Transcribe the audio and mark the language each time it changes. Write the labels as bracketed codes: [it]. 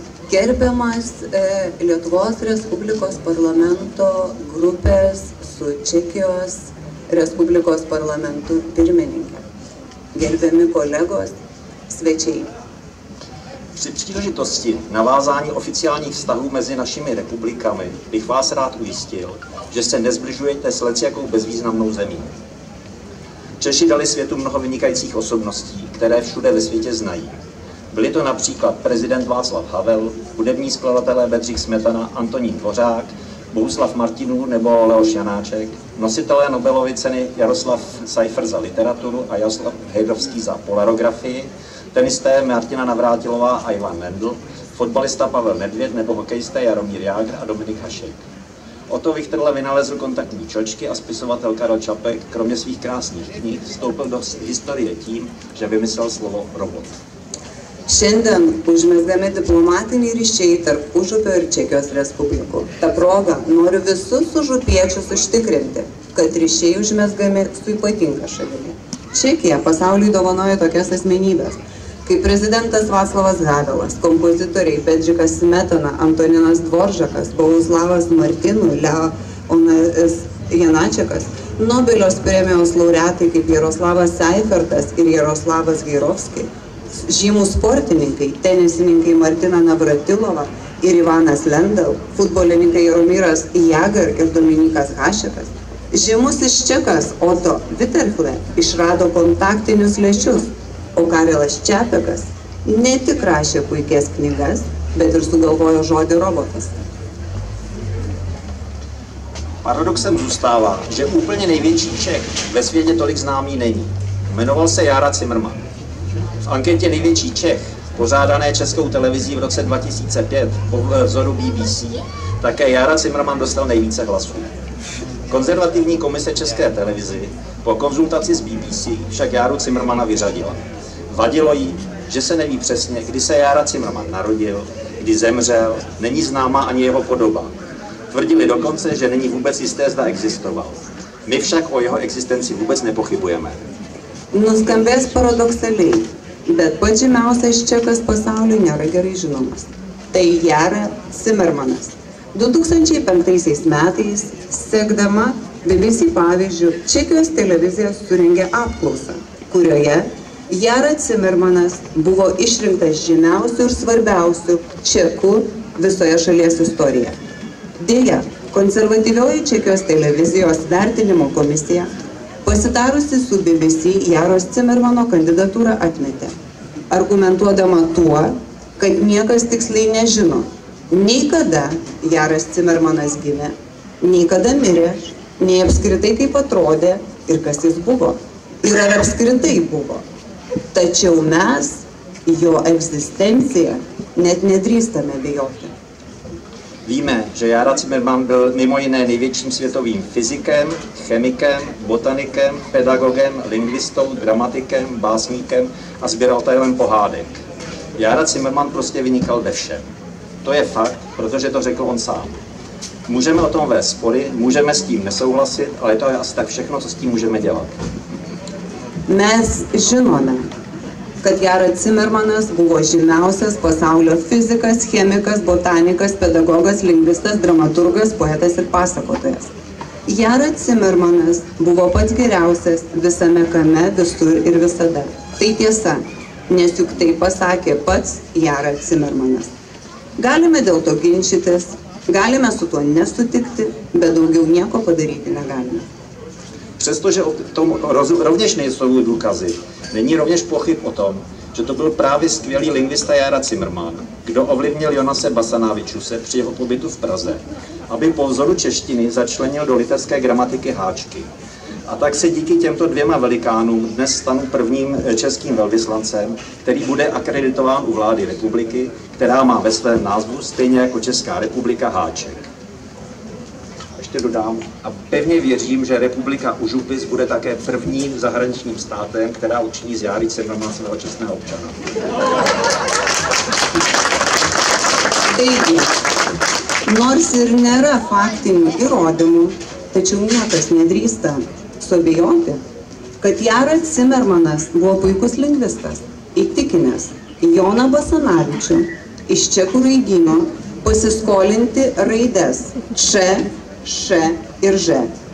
[lt] Gerbiamas Lietuvos Respublikos parlamento grupės su Čekijos Respublikos parlamentu pirmininkė. Gerbiami kolegos, svečiai. [cs] Při příležitosti navázání oficiálních vztahů mezi našimi republikami bych vás rád ujistil, že se nezbližujete s leciakou bezvýznamnou zemí. Češi dali světu mnoho vynikajících osobností, které všude ve světě znají. Byli to například prezident Václav Havel, hudební skladatelé Bedřich Smetana, Antonín Dvořák, Bohuslav Martinů nebo Leoš Janáček, nositelé Nobelovy ceny Jaroslav Seifer za literaturu a Jaroslav Hejdovský za polarografii, tenisté Martina Navrátilová a Ivan Lendl, fotbalista Pavel Nedvěd nebo hokejisté Jaromír Jágr a Dominik Hašek. Otto Wichterle vynalezl kontaktní čočky a spisovatel Karel Čapek, kromě svých krásných knih, vstoupil do historie tím, že vymyslel slovo robot. [lt] Šiandien užmezgami diplomatiniai ryšiai tarp Užupio ir Čekijos Respublikų. Ta proga noriu visus užupiečius užtikrinti, kad ryšiai užmezgami su ypatinga šalimi. Čekija pasauliui dovanoja tokias asmenybės, kaip prezidentas Vaclavas Havelas, kompozitoriai Bedřichas Smetana, Antoninas Dvoržakas, Bohuslavas Martinų, Leonas Janáčekas, Nobelio premijos laureatai kaip Jaroslavas Seifertas ir Jaroslavas Gairovski. Žymūs sportininkai, tenisininkai Martina Navratilova ir Ivanas Lendl, futbolininkai Jaromiras Jágr ir Dominikas Hašekas. Žymus iš čekas Otto Wichterle išrado kontaktinius lėšius, o Karelas Čapekas ne tik rašė puikias knygas, bet ir sugalvojo žodį robotas. [cs] Paradoxem zůstává, že úplně největší Čech ve světě tolik známý není. Jmenoval se Jára Cimrman. V anketě Největší Čech, pořádané Českou televizí v roce 2005 po vzoru BBC, také Jára Cimrman dostal nejvíce hlasů. Konzervativní komise České televize po konzultaci s BBC však Járu Cimrmana vyřadila. Vadilo jí, že se neví přesně, kdy se Jára Cimrman narodil, kdy zemřel, není známa ani jeho podoba. Tvrdili dokonce, že není vůbec jisté, zda existoval. My však o jeho existenci vůbec nepochybujeme. [lt] No, skambės paradoksaliai. Bet pats žymiausias čekas pasaulyje nėra gerai žinomas. Tai Jára Cimrmanas. 2005 metais, sekdama BBC pavyzdžių, Čekijos televizija surengė apklausą, kurioje Jára Cimrmanas buvo išrinktas žymiausių ir svarbiausių čekų visoje šalies istorijoje. Deja, konservatyvioji Čekijos televizijos vertinimo komisija pasitarusi su BBC Jaros Cimrmano kandidatūrą atmetė, argumentuodama tuo, kad niekas tiksliai nežino, nei kada Jaras Cimrmanas gimė, nei kada mirė, nei apskritai kaip atrodė ir kas jis buvo, ir ar apskritai buvo. Tačiau mes jo egzistenciją net nedrįstame bijoti. [cs] Víme, že Jára Cimrman byl mimo jiné největším světovým fyzikem, chemikem, botanikem, pedagogem, lingvistou, dramatikem, básníkem a sběratelem pohádek. Jára Cimrman prostě vynikal ve všem. To je fakt, protože to řekl on sám. Můžeme o tom vést spory, můžeme s tím nesouhlasit, ale to je asi tak všechno, co s tím můžeme dělat. [lt] Mes žinome, kad Jára Cimrmanas buvo žymiausias pasaulio fizikas, chemikas, botanikas, pedagogas, lingvistas, dramaturgas, poetas ir pasakotojas. Jára Cimrmanas buvo pats geriausias visame kame, visur ir visada. Tai tiesa, nes juk tai pasakė pats Jára Cimrmanas. Galime dėl to ginčytis, galime su tuo nesutikti, bet daugiau nieko padaryti negalime. [cs] Přestože o tom rovněž nejsou důkazy, není rovněž pochyb o tom, že to byl právě skvělý lingvista Jára Cimrman, kdo ovlivnil Jonase Basanavičuse při jeho pobytu v Praze, aby po vzoru češtiny začlenil do litevské gramatiky háčky. A tak se díky těmto dvěma velikánům dnes stanu prvním českým velvyslancem, který bude akreditován u vlády republiky, která má ve svém názvu stejně jako Česká republika háček. Dodám a pevně věřím, že Republika Užupis bude také prvním zahraničním státem, která učiní z Járy Cimrmana svého čestného občana. [lt] Taigi, nors ir nėra faktinių įrodymų, tačiau niekas nedrįsta sobijoti, kad Jára Cimrmanas buvo puikus lingvistas, įtikinęs Joną Basanavičių iš čekų raidyno pasiskolinti raides Č, Š ir Ž.